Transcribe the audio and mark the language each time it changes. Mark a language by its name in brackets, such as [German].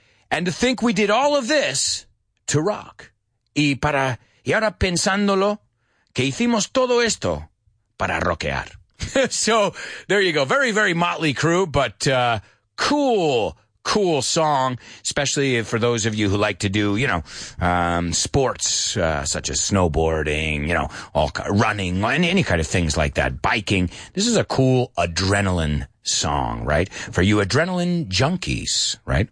[English] And to think we did all of this to rock. [Spanish] Y ahora pensándolo, que hicimos todo esto para rockear. [English] So there you go. Very, very Motley Crue, but cool song, especially for those of you who like to do, you know, sports, such as snowboarding, you know, all running, any kind of things like that, biking. This is a cool adrenaline song, right? For you adrenaline junkies, right?